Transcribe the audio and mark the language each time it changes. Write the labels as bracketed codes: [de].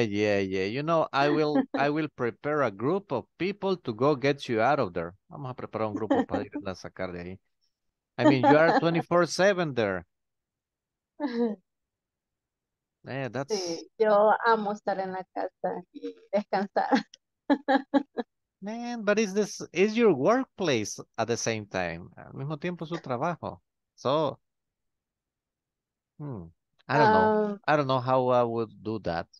[en] You know, I will prepare a group of people to go get you out of there. [es] Vamos a preparar un grupo para irla a sacar de ahí. [en] I mean, you are 24/7 there. Yeah, that's. [es] Sí, yo amo estar en la casa y descansar. [en] Man, but is your workplace at the same time? [es] Al mismo tiempo su trabajo. [en] So, I don't know. I don't know how I would do that.